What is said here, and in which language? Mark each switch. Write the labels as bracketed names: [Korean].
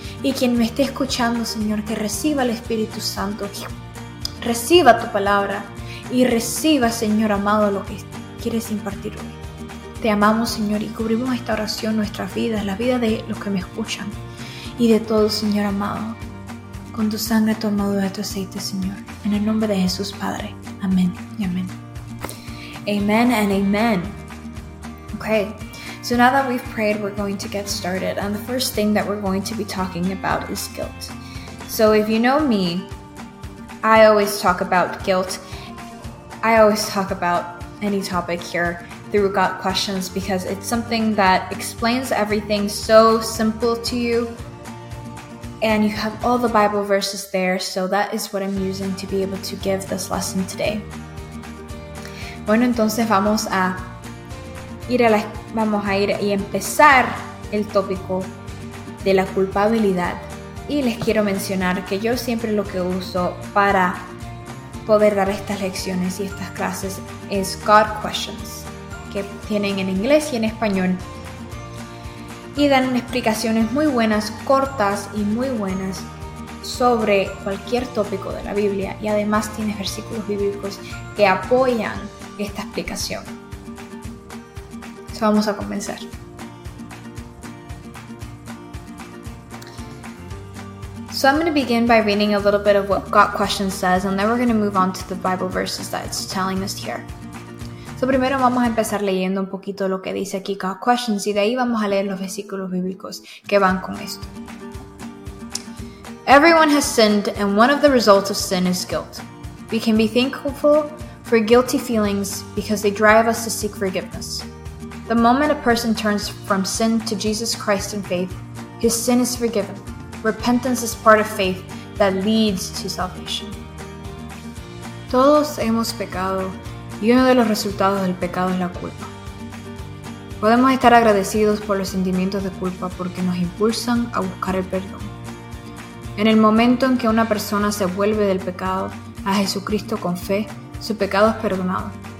[Spanish] Y quien me esté escuchando, Señor, que reciba el Espíritu Santo, que reciba tu palabra y reciba, Señor amado, lo que quieres impartir hoy. Te amamos, Señor, y cubrimos esta oración, nuestras vidas, la vida de los que me escuchan y de todos, Señor amado, con tu sangre, tu armadura, tu aceite, Señor, en el nombre de Jesús, Padre. Amén y amén. [English] Amen and amen. Okay, so now that we've prayed, we're going to get started. And the first thing that we're going to be talking about is guilt. So if you know me, I always talk about guilt. I always talk about any topic here through God questions, because it's something that explains everything so simple to you, and you have all the Bible verses there, so that is what I'm using to be able to give this lesson today. [Spanish] Bueno, entonces vamos a ir y empezar el tópico de la culpabilidad, y les quiero mencionar que yo siempre lo que uso para poder dar estas lecciones y estas clases es God questions, que tienen en inglés y en español, y dan explicaciones muy buenas, cortas y muy buenas sobre cualquier tópico de la Biblia, y además tiene versículos bíblicos que apoyan esta explicación. Entonces vamos a comenzar. [English] So I'm going to begin by reading a little bit of what God Question says, and then we're going to move on to the Bible verses that it's telling us here. [Spanish] So primero vamos a empezar leyendo un poquito lo que dice aquí God Questions, y de ahí vamos a leer los versículos bíblicos que van con esto. [English] Everyone has sinned, and one of the results of sin is guilt. We can be thankful for guilty feelings because they drive us to seek forgiveness. The moment a person turns from sin to Jesus Christ in faith, his sin is forgiven. Repentance is part of faith that leads to salvation. [Spanish] Todos hemos pecado, y uno de los resultados del pecado es la culpa. Podemos estar agradecidos por los sentimientos de culpa porque nos impulsan a buscar el perdón. En el momento en que una persona se vuelve del pecado a Jesucristo con fe, su pecado es perdonado.